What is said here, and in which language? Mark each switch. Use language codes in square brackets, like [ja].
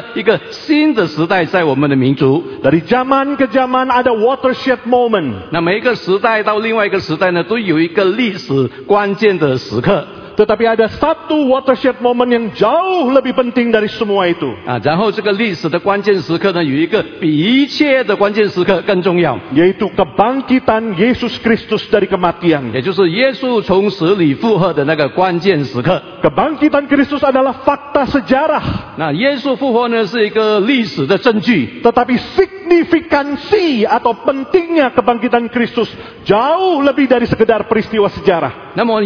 [zh] 也象征了旧的时代的结束，然后开了一个新的时代在我们的民族。 [id] Dari zaman ke zaman ada watershed moment. [zh] 那每一个时代到另外一个时代呢，都有一个历史关键的时刻。 [id] tetapi ada satu watershed moment yang jauh lebih penting dari semua itu. [zh] 然后这个历史的关键时刻呢，有一个比一切的关键时刻更重要， [id] yaitu kebangkitan Yesus Kristus dari kematian. [zh] 也就是耶稣从死里复活的那个关键时刻。 [id] Kebangkitan Kristus adalah fakta sejarah. [zh] 那耶稣复活呢，是一个历史的证据。 [id] Tetapi signifikansi atau pentingnya kebangkitan Kristus jauh lebih dari sekedar peristiwa sejarah.